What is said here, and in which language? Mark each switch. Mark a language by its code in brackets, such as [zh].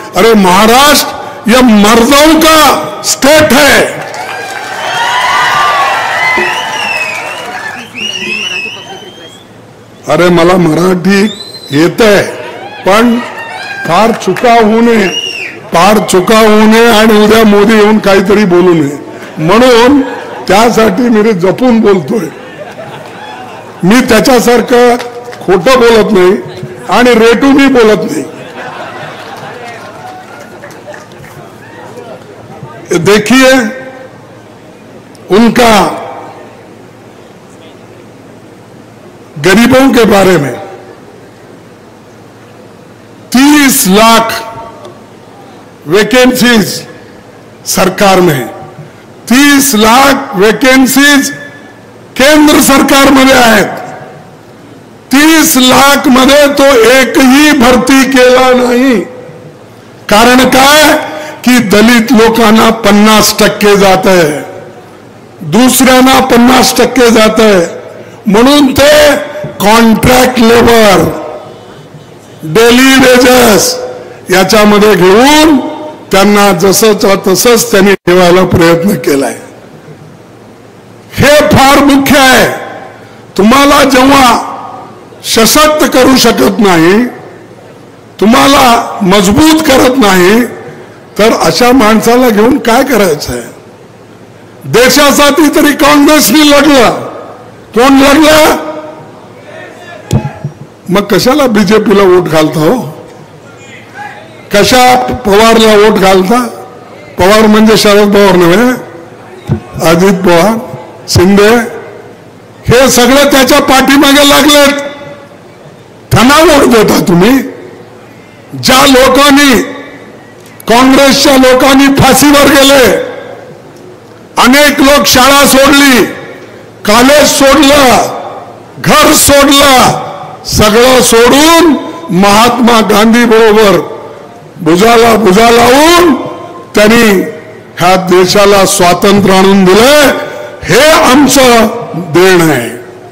[hi] अरे महाराष्ट्र ये मर्दों का स्टेट है, [mr] अरे मला मराठी येते पण फार चुका होणे, फार चुका होणे आणि उद्या मोदी येऊन काहीतरी बोलू नये, म्हणून त्यासाठी मी जपून बोलतोय। मी त्याच्यासारखं खोटं बोलत नाही आणि रेटूनही बोलत नाही। [hi] देखिए उनका गरीबों के बारे में, 30 लाख वैकेंसीज सरकार में है, 30 लाख वैकेंसीज केंद्र सरकार में आए, 30 लाख मध्ये तो एक ही भर्ती केला नहीं। [mr] कारण काय? कि मी दलित लोकांना 50% जाते आहे, दुसऱ्यांना 50% जाते आहे, म्हणून ते कॉन्ट्रॅक्ट लेबर डेली वेजेस याच्यामध्ये घेऊन त्यांना जसंच्या तसंच त्यांनी ठेवायला प्रयत्न केलाय. हे फार मुख्य आहे. तुम्हाला जेव्हा सशक्त करू शकत नाही, तुम्हाला मजबूत करत नाही, तर अशा माणसाला घेऊन काय करायचं आहे? देशासाठी तरी काँग्रेसनी लढलं. कोण लढलं? मग कशाला बीजेपीला वोट घालता हो? कशा पवारला वोट घालता? पवार म्हणजे शरद पवार नव्हे, अजित पवार, शिंदे, हे सगळं त्याच्या पाठीमागे लागलेत. त्यांना वोट देता तुम्ही? ज्या लोकांनी, काँग्रेसच्या लोकांनी फाशीवर गेले, अनेक लोक शाळा सोडली, कॉलेज सोडलं, घर सोडलं, सगळं सोडून महात्मा गांधी बरोबर भुजाला भुजा लावून त्यांनी ह्या देशाला स्वातंत्र्य आणून दिलंय, हे आमचं देण आहे.